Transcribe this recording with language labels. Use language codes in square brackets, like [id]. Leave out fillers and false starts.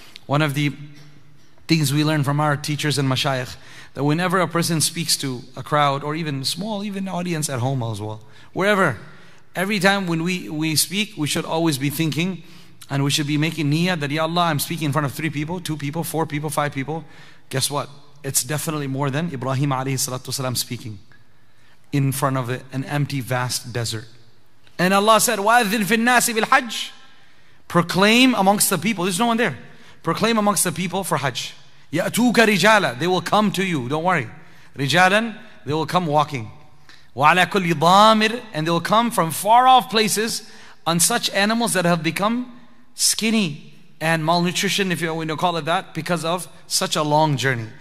[en] One of the things we learn from our teachers and mashayikh, that whenever a person speaks to a crowd, or even small, even audience at home as well, wherever, every time when we speak, we should always be thinking, and we should be making niyyah that, Ya Allah, I'm speaking in front of 3 people, 2 people, 4 people, 5 people. Guess what? It's definitely more than Ibrahim alayhi salatu wasalam speaking in front of an empty, vast desert. And Allah said, [ar] وَأَذِّنْ فِي النَّاسِ بِالْحَجِّ. [en] Proclaim amongst the people. There's no one there. Proclaim amongst the people for Hajj. [ar] يَأْتُوكَ رِجَالًا. [en] They will come to you. Don't worry. رِجَالًا. They will come walking. [ar] وَعَلَى كُلِّ ضَامِرٍ. [en] And they will come from far off places on such animals that have become skinny and malnutrition, if you want to call it that, because of such a long journey.